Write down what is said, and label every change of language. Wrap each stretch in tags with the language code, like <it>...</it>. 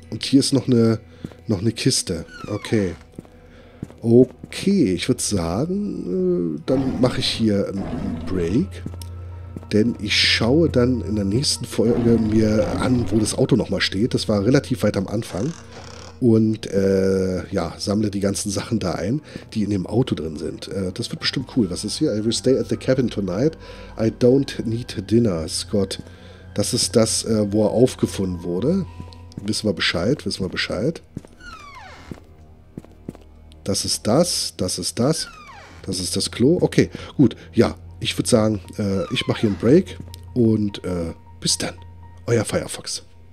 <de>Und hier ist noch eine Kiste. Okay. Okay, ich würde sagen, dann mache ich hier einen Break. Denn ich schaue dann in der nächsten Folge mir an, wo das Auto nochmal steht. Das war relativ weit am Anfang. Und ja, sammle die ganzen Sachen da ein, die in dem Auto drin sind. Das wird bestimmt cool. Was ist hier?</de> <en>I will stay at the cabin tonight. I don't need dinner, Scott.</en> <de>Das ist das, wo er aufgefunden wurde. Wissen wir Bescheid. Das ist das. Das ist das Klo. Okay, gut. Ja, ich würde sagen, ich mache hier einen Break. Und bis dann. Euer Firefox.</de>